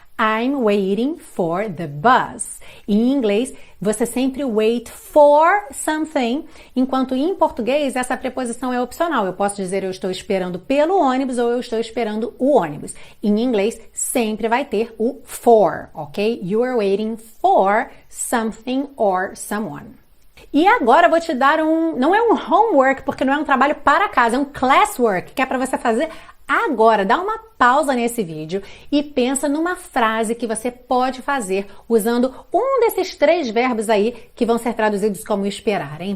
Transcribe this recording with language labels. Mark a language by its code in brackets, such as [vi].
[en] I'm waiting for the bus. [pt] Em inglês, você sempre [en] wait for something, [pt] enquanto em português essa preposição é opcional. Eu posso dizer eu estou esperando pelo ônibus ou eu estou esperando o ônibus. Em inglês, sempre vai ter o for, ok? [en] You are waiting for something or someone. [pt] E agora eu vou te dar um. Não é um homework, porque não é um trabalho para casa, é um classwork, que é para você fazer. Agora, dá uma pausa nesse vídeo e pensa numa frase que você pode fazer usando um desses três verbos aí que vão ser traduzidos como esperar, hein?